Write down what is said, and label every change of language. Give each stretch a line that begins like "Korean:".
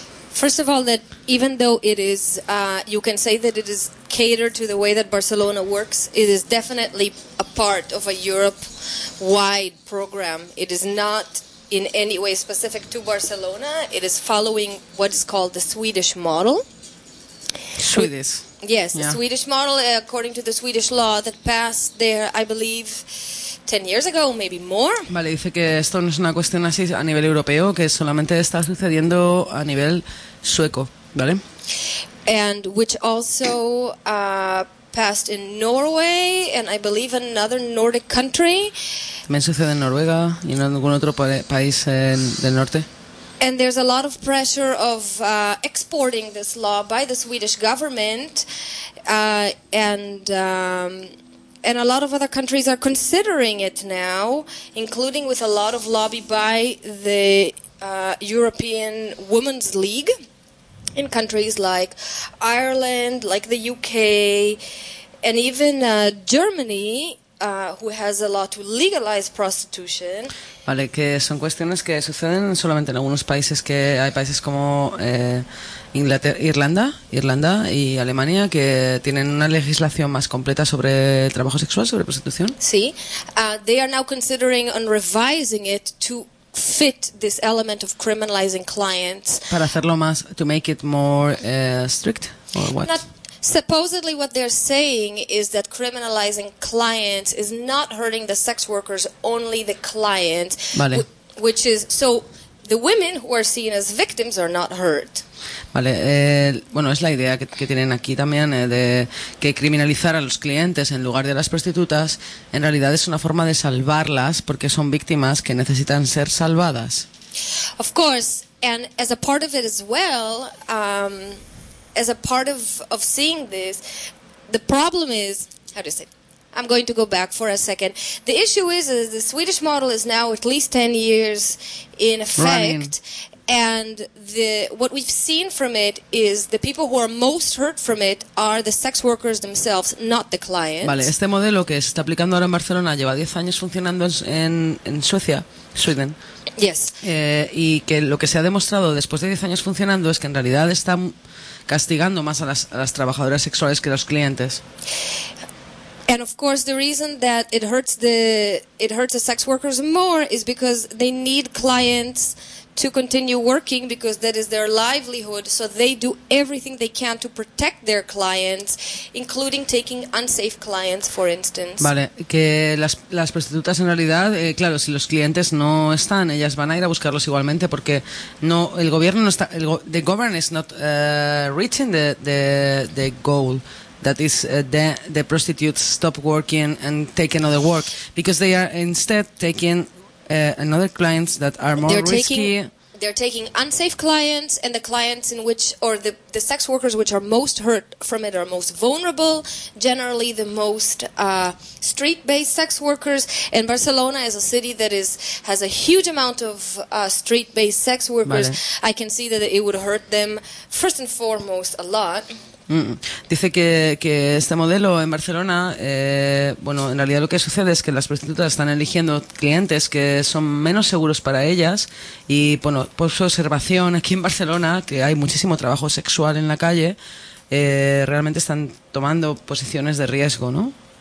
English: First of all, that even though it is, you can say that it is catered to the way that Barcelona works, it is definitely a part of a Europe-wide program. It is not in any way specific to Barcelona. It is following what is called the Swedish model. Swedish. Yes, yeah. The Swedish model, according to the Swedish law that passed there, I believe, 10 years ago, maybe more.
Spanish: Vale, dice que esto no es una cuestión así a nivel europeo, que solamente está sucediendo a nivel sueco, ¿vale?
English: And which also passed in Norway, and I believe another Nordic country.
Spanish: También sucede en Noruega y en algún otro país del norte.
English: And there's a lot of pressure of exporting this law by the Swedish government, and a lot of other countries are considering it now, including with a lot of lobby by the European Women's League in countries like Ireland, like the UK, and even Germany, who has a law to legalize prostitution.
Spanish: Vale, que son cuestiones que suceden solamente en algunos países, que hay países como Irlanda y Alemania, que tienen una legislación más completa sobre trabajo sexual, sobre prostitución.
English: Sí, they are now considering on revising it to fit this element of criminalizing clients.
Spanish: Para hacerlo más,
English: to make it more strict, or what? Supposedly what they're saying is that criminalizing clients is not hurting the sex workers, only the client.
Spanish: Vale.
English: Which is, so the women who are seen as victims are not hurt.
Spanish: Vale, bueno, es la idea que tienen aquí también, de que criminalizar a los clientes en lugar de las prostitutas en realidad es una forma de salvarlas, porque son víctimas que necesitan ser salvadas.
English: Of course, and as a part of it as well, as a part of seeing this, the problem is, how do you say it? I'm going to go back for a second. The issue is the Swedish model is now at least 10 years in effect. Running. And what we've seen from it is the people who are most hurt from it are the sex workers themselves, not the clients.
Spanish: Vale, este modelo que se está aplicando ahora en Barcelona lleva 10 años funcionando en Suecia, Sweden.
English: Yes.
Spanish: Y que lo que se ha demostrado después de 10 años funcionando es que en realidad está castigando más a las trabajadoras sexuales que a los clientes.
English: And of course the reason that it hurts the sex workers more is because they need clients to continue working, because that is their livelihood, so they do everything they can to protect their clients, including taking unsafe clients, for instance.
Spanish: Vale, que las prostitutas en realidad, claro, si los clientes no están, ellas van a ir a buscarlos igualmente, porque no, el gobierno no está,
English: the government is not reaching the goal. That is the prostitutes stop working and take another work, because they are instead taking another clients that are more risky. They're taking unsafe clients, and the clients in which, or the sex workers which are most hurt from it are most vulnerable, generally the most street-based sex workers. And Barcelona is a city that has a huge amount of street-based sex workers.
Spanish: Vale.
English: I can see that it would hurt them first and foremost a lot.
Spanish: Dice que este modelo en Barcelona, bueno, en realidad lo que sucede es que las prostitutas están eligiendo clientes que son menos seguros para ellas, y bueno, por su observación aquí en Barcelona, que hay muchísimo trabajo sexual en la calle, realmente están tomando posiciones de riesgo, ¿no?